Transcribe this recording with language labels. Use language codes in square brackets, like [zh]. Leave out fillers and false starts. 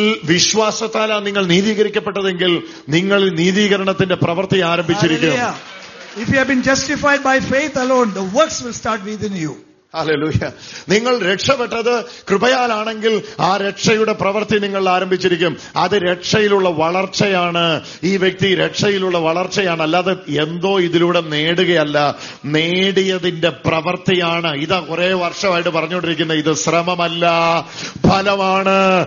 [ml] വിശ്വാസത്താലാണ് നിങ്ങൾ നീതീകരിക്കപ്പെട്ടതെങ്കിൽ നിങ്ങൾ നീതീകരണത്തിന്റെ പ്രവൃത്തി ആരംഭിച്ചിരിക്കുന്നു. [en] If you have been justified by faith alone, the works will start within you. Hallelujah. [ml] നിങ്ങൾ രക്ഷപ്പെട്ടത് കൃപയാലാണെങ്കിൽ ആ രക്ഷയുടെ പ്രവൃത്തി നിങ്ങൾ ആരംഭിച്ചിരിക്കും. അത് രക്ഷയിലുള്ള വളർച്ചയാണ്. ഈ വ്യക്തി രക്ഷയിലുള്ള വളർച്ചയാണ്, അല്ലാതെ എന്തോ ഇതിലൂടെ നേടുകയല്ല, നേടിയതിന്റെ പ്രവൃത്തിയാണ്. ഇതാ കുറെ വർഷമായിട്ട് പറഞ്ഞുകൊണ്ടിരിക്കുന്ന ഇത് ശ്രമമല്ല, ഫലമാണ്.